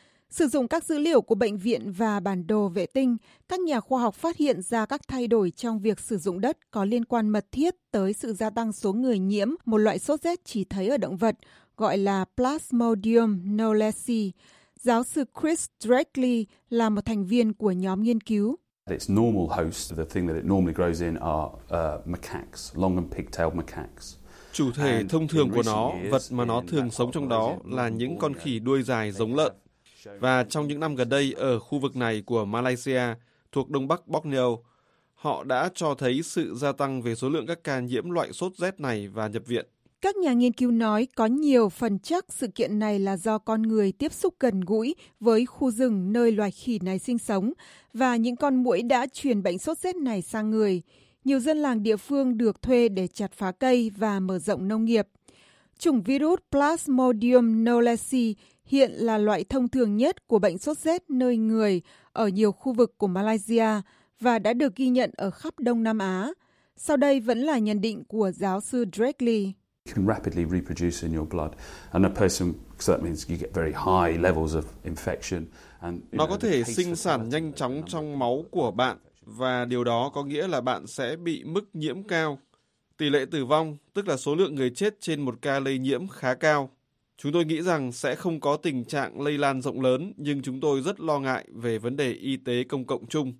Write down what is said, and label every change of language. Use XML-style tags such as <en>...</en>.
<vi>Sử dụng các dữ liệu của bệnh viện và bản đồ vệ tinh, các nhà khoa học phát hiện ra các thay đổi trong việc sử dụng đất có liên quan mật thiết tới sự gia tăng số người nhiễm một loại sốt rét chỉ thấy ở động vật, gọi là Plasmodium knowlesi. Giáo sư Chris Drakely là một thành viên của nhóm nghiên cứu.</vi> <en>Its normal host, the thing that it normally grows in are macaques, long and pigtailed macaques.</en> <vi>Chủ thể thông thường của nó, vật mà nó thường sống trong đó là những con khỉ đuôi dài giống lợn. Và trong những năm gần đây ở khu vực này của Malaysia, thuộc đông bắc Borneo, họ đã cho thấy sự gia tăng về số lượng các ca nhiễm loại sốt rét này và nhập viện. Các nhà nghiên cứu nói có nhiều phần chắc sự kiện này là do con người tiếp xúc gần gũi với khu rừng nơi loài khỉ này sinh sống và những con muỗi đã truyền bệnh sốt rét này sang người. Nhiều dân làng địa phương được thuê để chặt phá cây và mở rộng nông nghiệp. Chủng virus Plasmodium knowlesi hiện là loại thông thường nhất của bệnh sốt rét nơi người ở nhiều khu vực của Malaysia và đã được ghi nhận ở khắp Đông Nam Á. Sau đây vẫn là nhận định của giáo sư Drakely.</vi> <en>Can rapidly reproduce in your blood, and a person, so that means you get very high levels of infection.</en> <vi>Nó có thể sinh sản nhanh chóng trong máu của bạn, và điều đó có nghĩa là bạn sẽ bị mức nhiễm cao. Tỷ lệ tử vong, tức là số lượng người chết trên một ca lây nhiễm khá cao. Chúng tôi nghĩ rằng sẽ không có tình trạng lây lan rộng lớn, nhưng chúng tôi rất lo ngại về vấn đề y tế công cộng chung.</vi>